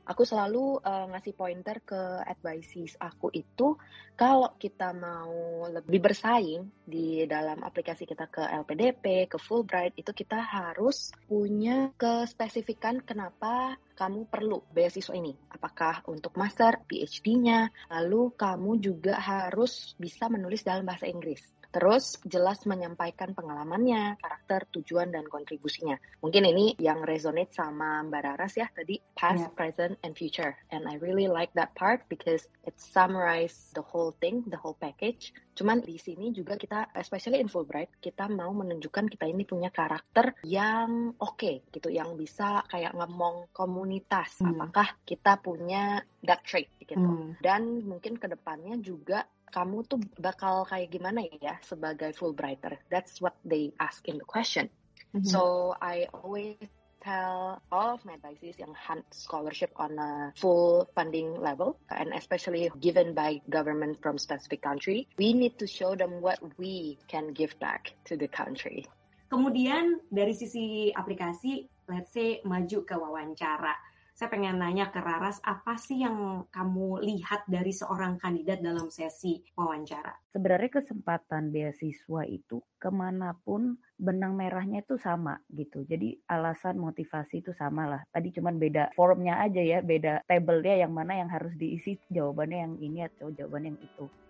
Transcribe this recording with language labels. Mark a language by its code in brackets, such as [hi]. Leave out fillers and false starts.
[id] Aku selalu ngasih pointer ke advices aku itu, kalau kita mau lebih bersaing di dalam aplikasi kita ke LPDP, ke Fulbright, itu kita harus punya kespesifikan kenapa kamu perlu beasiswa ini. Apakah untuk master, PhD-nya, lalu kamu juga harus bisa menulis dalam bahasa Inggris. Terus jelas menyampaikan pengalamannya, karakter, tujuan, dan kontribusinya. Mungkin ini yang resonate sama Mbak Raras ya tadi, [en] past, yeah, present, and future. And I really like that part because it summarizes the whole thing, the whole package. [id] Cuman di sini juga kita, [en] especially in Fulbright, [id] kita mau menunjukkan kita ini punya karakter yang oke, gitu, yang bisa kayak ngomong komunitas. Apakah kita punya [en] that trait, [id] gitu. Dan mungkin kedepannya juga, kamu tuh bakal kayak gimana ya sebagai Fulbrighter? [en] That's what they ask in the question. So I always tell all of my advices yang hunt scholarship on a full funding level, and especially given by government from specific country, we need to show them what we can give back to the country. [id] Kemudian dari sisi aplikasi, [en] let's say [id] maju ke wawancara. Saya pengen nanya ke Raras, apa sih yang kamu lihat dari seorang kandidat dalam sesi wawancara? Sebenarnya kesempatan beasiswa itu kemanapun benang merahnya itu sama gitu. Jadi alasan motivasi itu sama lah. Tadi cuman beda formnya aja ya, beda tabelnya yang mana yang harus diisi, jawabannya yang ini atau jawaban yang itu.